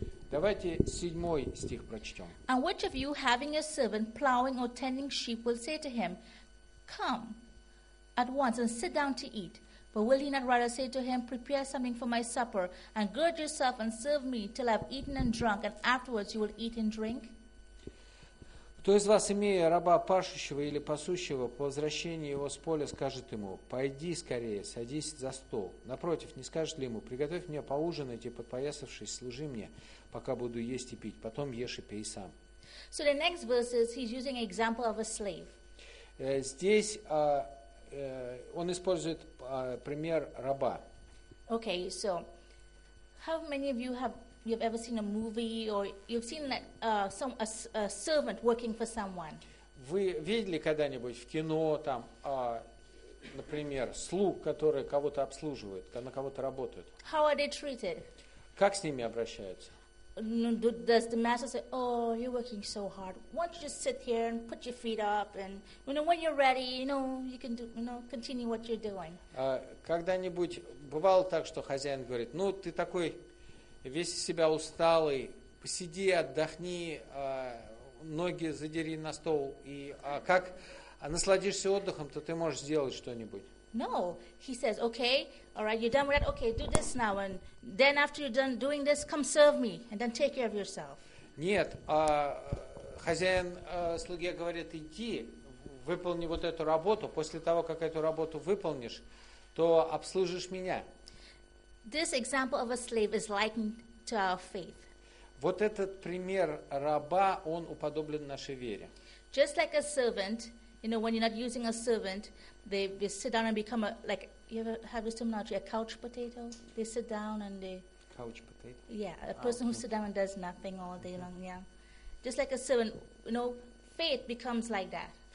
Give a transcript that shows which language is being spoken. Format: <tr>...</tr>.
<ru>Давайте седьмой стих прочтем.</ru> <en>And which of you, having a servant plowing or tending sheep, will say to him, come at once and sit down to eat? But will he not rather say to him, prepare something for my supper, and gird yourself and serve me till I have eaten and drunk, and afterwards you will eat and drink?</en> <ru>Кто из вас, имея раба пашущего или пасущего, по возвращении его с поля скажет ему, пойди скорее, садись за стол. Напротив, не скажет ли ему, приготовь мне поужинать и, подпоясавшись, служи мне, пока буду есть и пить, потом ешь и пей сам.</ru> <en>So the next verse is, he's using an example of a slave.</en> <ru>Здесь он использует пример раба.</ru> <en>Okay, so How many of you have you've ever seen a movie or you've seen that some a servant working for someone?</en> <ru>Вы видели когда-нибудь в кино там, например, слуг, которые кого-то обслуживают, на кого-то работают?</ru> <en>How are they treated?</en> <ru>Как с ними обращаются?</ru> <en>Does the master say, "Oh, you're working so hard. Why don't you just sit here and put your feet up, and you know when you're ready, you know you can do, you know, continue what you're doing"?</en> <ru>Когда-нибудь бывало так, что хозяин говорит: "Ну, ты такой весь из себя усталый, посиди, отдохни, ноги задери на стол, и как насладишься отдыхом, то ты можешь сделать что-нибудь"?</ru> <en>No, he says, okay, all right, you're done with that, okay, do this now, and then after you're done doing this, come serve me, and then take care of yourself.</en> <ru>Нет, хозяин слуге говорит, иди, выполни вот эту работу, после того, как эту работу выполнишь, то обслужишь меня.</ru> <en>This example of a slave is likened to our faith.</en> <ru>Вот этот пример раба, он уподоблен нашей вере.</ru> <en>Just like a servant, you know, when you're not using a servant, they sit down and become a, like, you ever have this terminology, a couch potato? They sit down and they... Couch potato? Yeah, a person who sits down and does nothing all day long, yeah. Just like a servant, you know, faith becomes like that.</en>